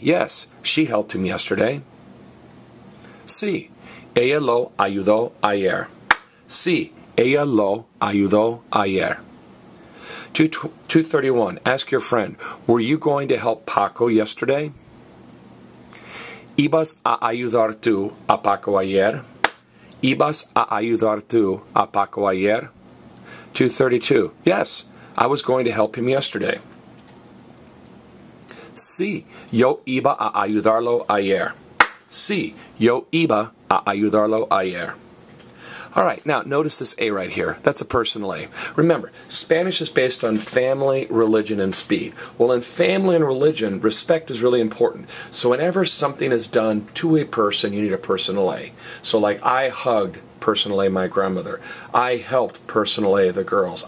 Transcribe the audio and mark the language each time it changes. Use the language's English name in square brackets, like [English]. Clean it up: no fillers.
[English] Yes, she helped him yesterday. [Spanish] Sí, ella lo ayudó ayer. Sí, ella lo ayudó ayer. 231. [English] Ask your friend, were you going to help Paco yesterday? [Spanish] ¿Ibas a ayudar tú a Paco ayer? ¿Ibas a ayudar tú a Paco ayer? 232. [English] Yes, I was going to help him yesterday. [Spanish] Sí, yo iba a ayudarlo ayer. Sí, yo iba a ayudarlo ayer. [English] All right, now notice this A right here. That's a personal A. Remember, Spanish is based on family, religion, and speed. Well, in family and religion, respect is really important. So whenever something is done to a person, you need a personal A. So like, I hugged personal A my grandmother. I helped personal A the girls.